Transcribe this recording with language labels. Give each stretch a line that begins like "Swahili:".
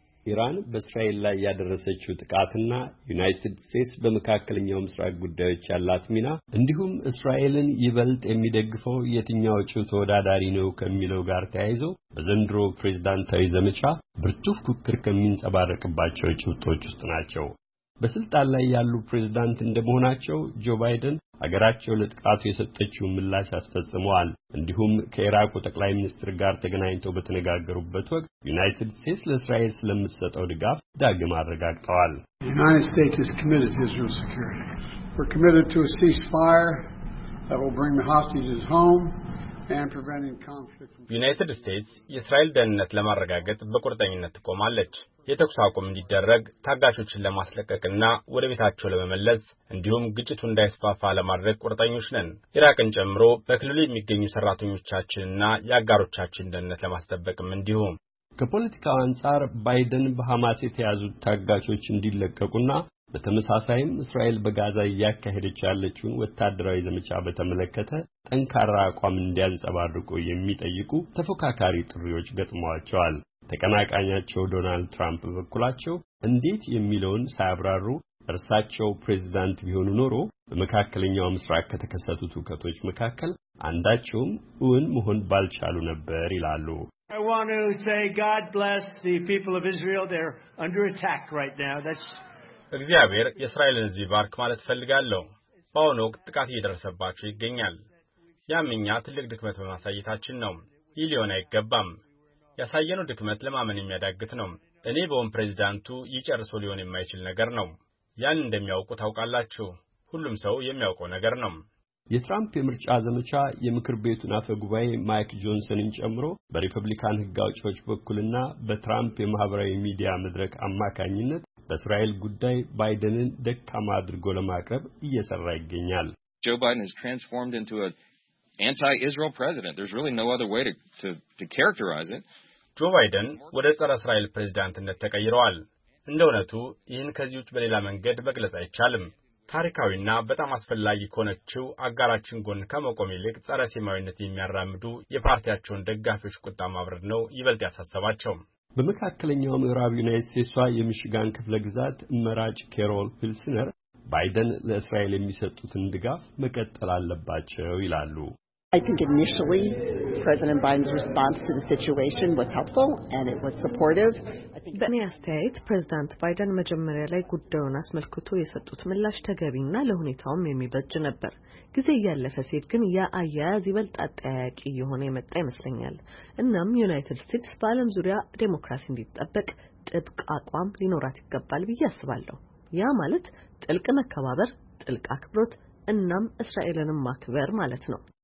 Amharic: ኢራን በእስራኤል ላይ ያደረሰችው ጥቃትና ዩናይትድ ስቴትስ በመካከለኛው ምስራቅ ጉዳዮች ያላት ሚና እንዲሁም እስራኤልን ይበልጥ የሚደግፈው የትኛው እጩ ተወዳዳሪ ነው ከሚለው ጋር ተያይዞ በዘንድሮ ፕሬዝዳንታዊ ዘመቻ ብርቱ ፉክክር ከሚንጸባረቅባቸው እጩዎች ውስጥ ናቸው። በስልጣን ላይ ያሉ ፕሬዝዳንት እንደመሆናቸው ጆ ባይደን አገራቸው ለጥቃቱ የሰጠችው ምላሽ አስፈጽመዋል። እንዲሁም ከኢራቁ ጠቅላይ ሚኒስትር ጋር ተገናኝተው በተነጋገሩበት ወቅት ዩናይትድ ስቴትስ ለእስራኤል ስለምትሰጠው ድጋፍ ዳግም አረጋግጠዋል።
English: United States is committed to Israel's security. We're committed to a ceasefire that will bring the hostages home and preventing conflict.
Amharic: United States የእስራኤል ደህንነት ለማረጋገጥ በቁርጠኝነት ቆማለች። የተኩስ አቁም እንዲደረግ ታጋቾችን ለማስለቀቅና ወደ ቤታቸው ለመመለስ እንዲሁም ግጭቱ እንዳይስፋፋ ለማድረግ ቁርጠኞች ነን። ኢራቅን ጨምሮ በክልሉ የሚገኙ ሰራተኞቻችንና ያጋሮቻችን ደህንነት ለማስጠበቅም እንዲሁም ከፖለቲካው አንጻር ባይደን በሐማስ የተያዙት ታጋቾች እንዲለቀቁና በተመሳሳይም እስራኤል በጋዛ ያካሄደች ያለችውን ወታደራዊ ዘመቻ በተመለከተ ጠንካራ አቋም እንዲያንጸባርቁ የሚጠይቁ ተፎካካሪ ጥሪዎች ገጥመዋቸዋል። ተቀናቃኛቸው ዶናልድ ትራምፕ በኩላቸው እንዴት የሚለውን ሳይብራሩ እርሳቸው ፕሬዝዳንት ቢሆኑ ኖሮ በመካከለኛው ምስራቅ ከተከሰቱት ውከቶች መካከል አንዳቸውም እውን መሆን ባልቻሉ ነበር ይላሉ።
English: I want to say God bless the people of Israel. They're under attack right now. That's
Amharic: እግዚአብሔር የእስራኤልን ህዝብ ይባርክ ማለት ፈልጋለሁ። በአሁኑ ወቅት ጥቃት እየደረሰባቸው ይገኛል። ያም እኛ ትልቅ ድክመት በማሳየታችን ነው። ይህ ሊሆን አይገባም። ያሳየነው ድክመት ለማመን የሚያዳግት ነው። እኔ በሆን ፕሬዝዳንቱ ይጨርሶ ሊሆን የማይችል ነገር ነው። ያን እንደሚያውቁ ታውቃላችሁ። ሁሉም ሰው የሚያውቀው ነገር ነው። የትራምፕ የምርጫ ዘመቻ የምክር ቤቱን አፈ ጉባኤ ማይክ ጆንሰንን ጨምሮ በሪፐብሊካን ህግ አውጪዎች በኩልና በትራምፕ የማህበራዊ ሚዲያ መድረክ አማካኝነት በእስራኤል ጉዳይ ባይደንን ደካማ አድርጎ ለማቅረብ እየሰራ ይገኛል።
English: ጆ ባይደን has transformed into a anti-Israel president. There's really no other way to characterize it.
Amharic: ጆ ባይደን ወደ ጸረ እስራኤል ፕሬዝዳንትነት ተቀይሯል። እንደውነቱ ይህን ከዚህ ውጭ በሌላ መንገድ መግለጽ አይቻልም። ታሪካዊና በጣም አስፈላጊ ከሆነችው አጋራችን ጎን ከመቆም ይልቅ ጸረ ሴማዊነት የሚያራምዱ የፓርቲያቸውን ደጋፊዎች ቁጣ ማብረድ ነው ይበልጥ ያሳሰባቸው። በመካከለኛው ምዕራብ ዩናይትድ ስቴትስዋ የሚሽጋን ክፍለ ግዛት መራጭ ኬሮል ፊልስነር ባይደን ለእስራኤል የሚሰጡትን ድጋፍ መቀጠል አለባቸው ይላሉ።
English: I think initially President Biden's response to the situation was helpful and it was supportive.
Amharic: በእኔ አስተያየት ፕሬዝዳንት ባይደን መጀመሪያ ላይ ጉዳዩን አስመልክቶ የሰጡት ምላሽ ተገቢና ለሁኔታውም የሚበጅ ነበር። ጊዜ ያለፈ ሲል ግን ያ አያያዝ ይበልጥ አጠያቂ የሆነ የመጣ ይመስለኛል። እናም ዩናይትድ ስቴትስ በዓለም ዙሪያ ዴሞክራሲ እንዲጠበቅ ጥብቅ አቋም ሊኖራት ይገባል ብዬ አስባለሁ። ያ ማለት ጥልቅ መከባበር፣ ጥልቅ አክብሮት እናም እስራኤልንም ማክበር ማለት ነው።